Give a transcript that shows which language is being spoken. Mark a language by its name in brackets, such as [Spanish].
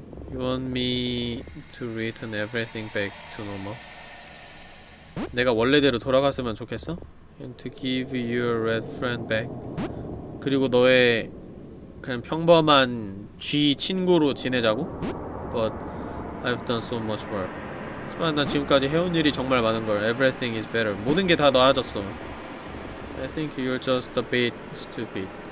[English] You want me to return everything back to normal? [Korean] 내가 원래대로 돌아갔으면 좋겠어? [English] And to give you a red friend back? [Korean] 그리고 너의 그냥 평범한 쥐 친구로 지내자고? [English] But I've done so much work. [Korean] 하지만 난 지금까지 해온 일이 정말 많은 걸. [English] Everything is better. [Korean] 모든 게 다 나아졌어. [English] I think you're just a bit stupid.